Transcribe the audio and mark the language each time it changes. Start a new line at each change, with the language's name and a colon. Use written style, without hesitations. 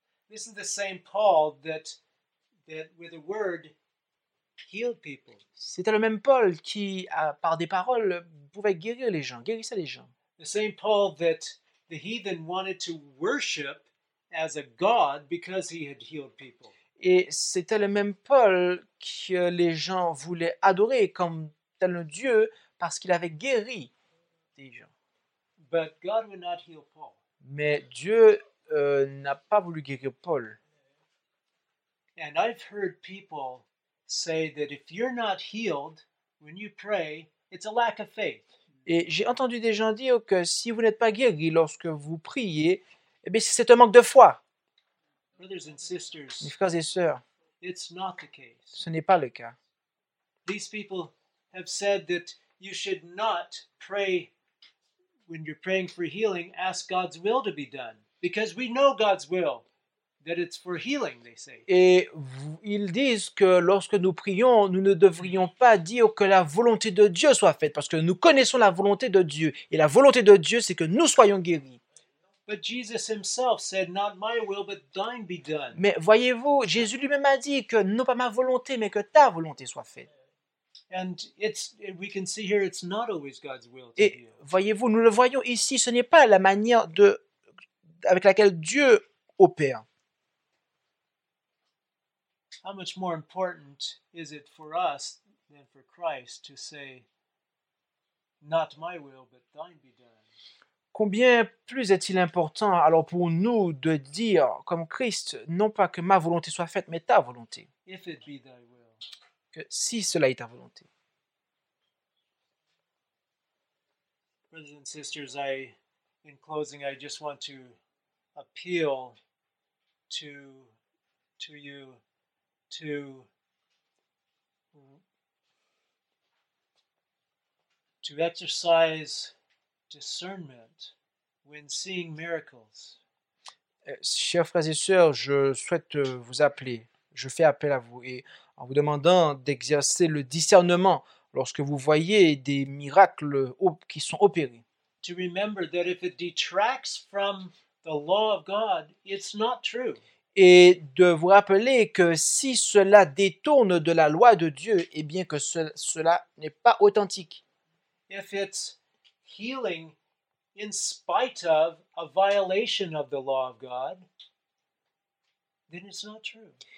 English: This is the same Paul that with a word healed people.
French: C'était le même Paul qui par des paroles pouvait guérir les gens, guérissait les gens.
English: The same Paul that the heathen wanted to worship as a god because he had healed people.
French: Et c'était le même Paul que les gens voulaient adorer comme tel un dieu parce qu'il avait guéri des gens.
English: But God would not heal Paul.
French: Mais Dieu n'a pas voulu guérir Paul.
English: And I've heard people say that if you're not healed when you pray, it's a lack of faith.
French: Et j'ai entendu des gens dire que si vous n'êtes pas guéri lorsque vous priez, eh bien, c'est un manque de foi.
English: Brothers and sisters,
French: mes frères et sœurs,
English: it's not the case.
French: Ce n'est pas le cas.
English: These people have said that you should not pray when you're praying for healing, ask God's will to be done, because we know God's will, that it's for healing, they say.
French: Et ils disent que lorsque nous prions, nous ne devrions pas dire que la volonté de Dieu soit faite, parce que nous connaissons la volonté de Dieu, et la volonté de Dieu, c'est que nous soyons guéris.
English: But Jesus himself said, not my will, but thine be done.
French: Mais voyez-vous, Jésus lui-même a dit que non pas ma volonté, mais que ta volonté soit faite.
English: And we can see here, it's not always God's will to heal.
French: Et voyez-vous, nous le voyons ici, ce n'est pas la manière avec laquelle Dieu opère.
English: How much more important is it for us than for Christ to say, not my will, but thine be done?
French: Combien plus est-il important alors pour nous de dire comme Christ, non pas que ma volonté soit faite, mais ta volonté.
English: If it be thy will.
French: Que si cela est ta volonté.
English: Brothers and sisters, in closing, I just want to appeal to you to exercise discernment when seeing miracles.
French: Chers frères et sœurs, je souhaite vous appeler. Je fais appel à vous et en vous demandant d'exercer le discernement lorsque vous voyez des miracles qui sont opérés.
English: To remember that if it detracts from the law of God, it's not true.
French: Et de vous rappeler que si cela détourne de la loi de Dieu, eh bien que cela n'est pas authentique.
English: If it's healing in spite of a violation of the law of God, then it's not true.